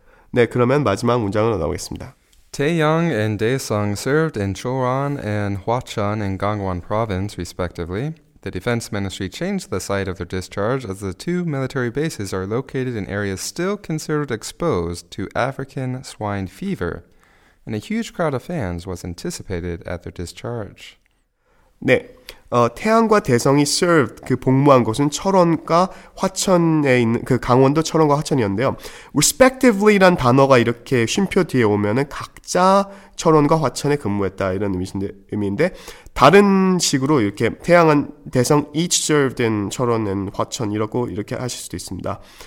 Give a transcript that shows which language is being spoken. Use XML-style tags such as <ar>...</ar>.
<ko>네 그러면 마지막 문장으로 나오겠습니다.</ko> <en>Taeyang and Daesung served in Chulran and Hwacheon in Gangwon province respectively. The defense ministry changed the site of their discharge as the two military bases are located in areas still considered exposed to African swine fever, and a huge crowd of fans was anticipated at their discharge.</en> <ko>네. 태양과 대성이 served 그 복무한 곳은 철원과 화천에 있는 그 강원도 철원과 화천이었는데요. respectively란 단어가 이렇게 쉼표 뒤에 오면은 각자 철원과 화천에 근무했다 이런 의미인데 다른 식으로 이렇게 태양은 대성</ko> <en>each served in 철원 and 화천</en> <ko>이렇고 이렇게 하실 수도 있습니다.</ko>